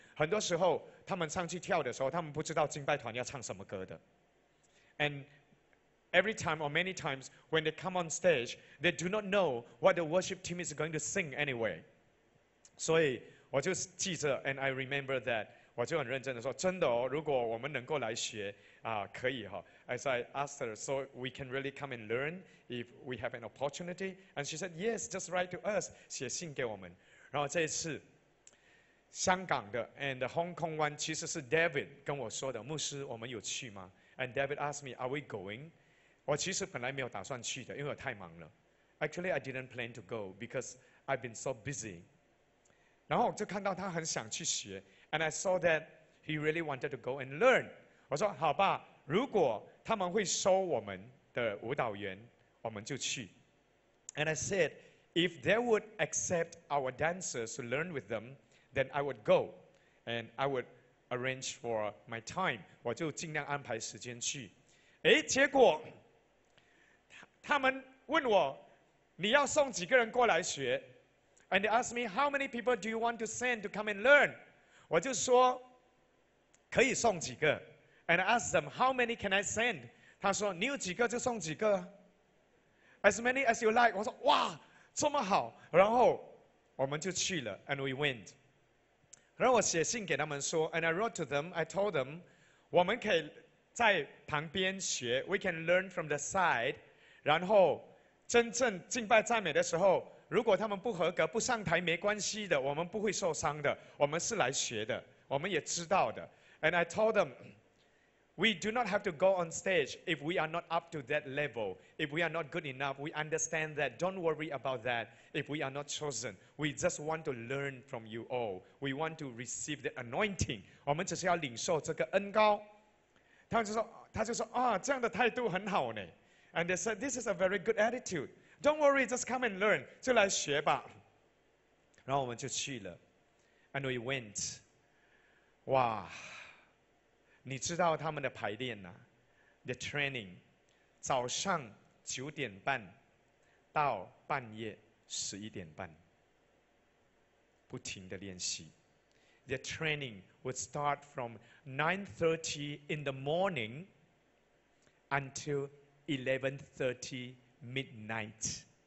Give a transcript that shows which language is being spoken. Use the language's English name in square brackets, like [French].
[Chinese] 很多时候,他们上去跳的时候, 他们不知道敬拜团要唱什么歌的。 [English] And every time or many times when they come on stage, they do not know what the worship team is going to sing anyway. 所以 [Chinese] 我就记着, [English] and I remember that, [Chinese] 我就很认真地说, 真的哦, 如果我们能够来学, 可以哦, [English] as I asked her, so we can really come and learn if we have an opportunity? And she said, yes, just write to us, [Chinese] 写信给我们。然后这一次, 香港的, [English] and the Hong Kong one, [Chinese] 其实是David跟我说的, 牧师,我们有去吗? [English] And David asked me, are we going? [Chinese] 我其实本来没有打算去的, 因为我太忙了。 [English] Actually, I didn't plan to go because I've been so busy. [Chinese] 然后我就看到他很想去学, [English] and I saw that he really wanted to go and learn. [Chinese] 我说,好吧, 如果他们会收我们的舞蹈员, 我们就去。 [English] And I said, if they would accept our dancers to learn with them, then I would go, and I would arrange for my time. [Chinese] 我就尽量安排时间去。诶,结果, 他们问我, 你要送几个人过来学? [English] And they asked me, how many people do you want to send to come and learn? [Chinese] 我就说, 可以送几个。 [English] And I asked them, how many can I send? [Chinese] 他说, 你有几个就送几个。 [English] As many as you like. [Chinese] 我说, 哇, 这么好。然后, 我们就去了, [English] and we went. [Chinese] 然后我写信给他们说, [English] and I wrote to them, I told them, [Chinese] 我们可以在旁边学, [English] we can learn from the side, [Chinese] 然后真正敬拜赞美的时候, 如果他们不合格, 不上台没关系的, 我们不会受伤的, 我们是来学的, 我们也知道的。 [English] And I told them, We do not have to go on stage if we are not up to that level. If we are not good enough, we understand that. Don't worry about that. If we are not chosen, we just want to learn from you all. We want to receive the anointing. [Chinese] 我们只是要领受这个恩膏。他就说啊，这样的态度很好呢。 [English] And they said, this is a very good attitude. Don't worry, just come and learn. [Chinese] 就来学吧。然后我们就去了。 [English] And we went. 哇。 [Chinese] 你知道他们的排练啊 [English] The training [Chinese] 早上九点半到半夜十一点半不停的练习 [English] The training would start from 9:30 in the morning until 11:30 midnight